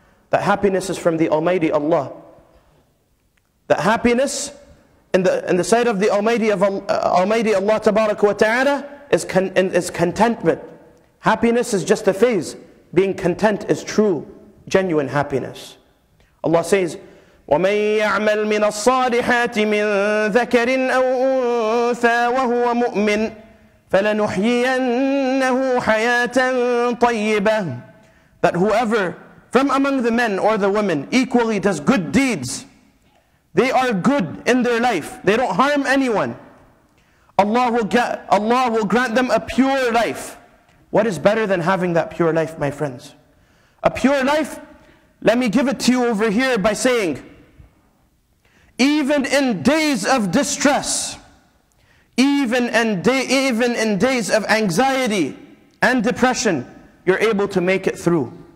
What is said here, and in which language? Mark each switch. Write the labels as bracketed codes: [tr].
[en] That happiness is from the Almighty Allah. That happiness in the sight of the Almighty Allah Tabaraka wa Ta'ala is contentment. Happiness is just a phase. Being content is true, genuine happiness. Allah says, [ar] وَمَنْ يَعْمَلْ مِنَ الصَّالِحَاتِ مِنْ ذَكَرٍ أَوْ أُنْثَى وَهُوَ مُؤْمِنٌ فَلَنُحْيِيَنَّهُ حَيَاةً طَيِّبَةً. [en] That whoever from among the men or the women equally does good deeds, they are good in their life, they don't harm anyone, Allah will grant them a pure life. What is better than having that pure life, my friends? A pure life, let me give it to you over here by saying, even in days of distress, even in days of anxiety and depression, you're able to make it through.